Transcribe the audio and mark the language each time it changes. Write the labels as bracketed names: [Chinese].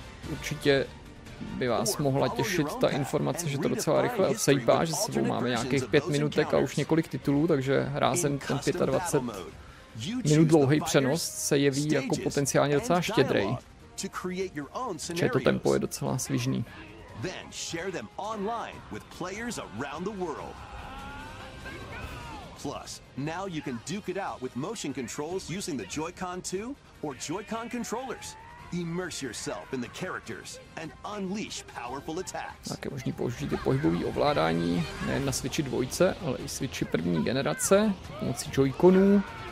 [Czech] Určitě by vás mohla těšit ta informace, že to docela rychle odsejpá, že sebou máme nějakých 5 minutek a už několik titulů, takže rázem ten 25 minut dlouhý přenos se jeví jako potenciálně docela štědrej. [English] To create your own scenarios. [Czech] Že to tempo je docela svižný. [English] Then share them online with players around the world. Plus, now you can duke it out with motion controls using the Joy-Con 2 or Joy-Con controllers. Immerse yourself in the characters and unleash powerful attacks. [Czech] Tak je možný použít i pohybový ovládání, nejen na Switchi dvojce, ale i Switchi první generace pomocí Joy-Conů.